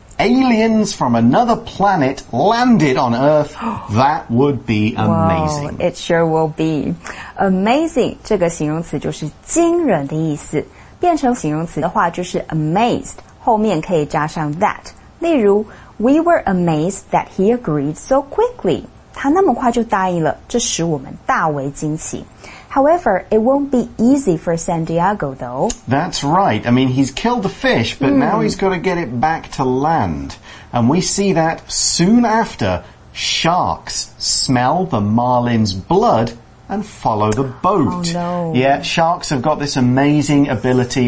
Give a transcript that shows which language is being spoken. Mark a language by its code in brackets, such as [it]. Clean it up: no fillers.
[en] aliens from another planet landed on Earth, that would be amazing. Wow, it sure will be. Amazing, [zh] 这个形容词就是惊人的意思。变成形容词的话就是 amazed, 后面可以加上 that。例如 [en] ,we were amazed that he agreed so quickly. [zh] 他那么快就答应了,这使我们大为惊奇。 [en] However, it won't be easy for Santiago, though. That's right. I mean, he's killed the fish, but now he's got to get it back to land. And we see that soon after, sharks smell the marlin's blood and follow the boat. Oh, no. Yeah, sharks have got this amazing ability.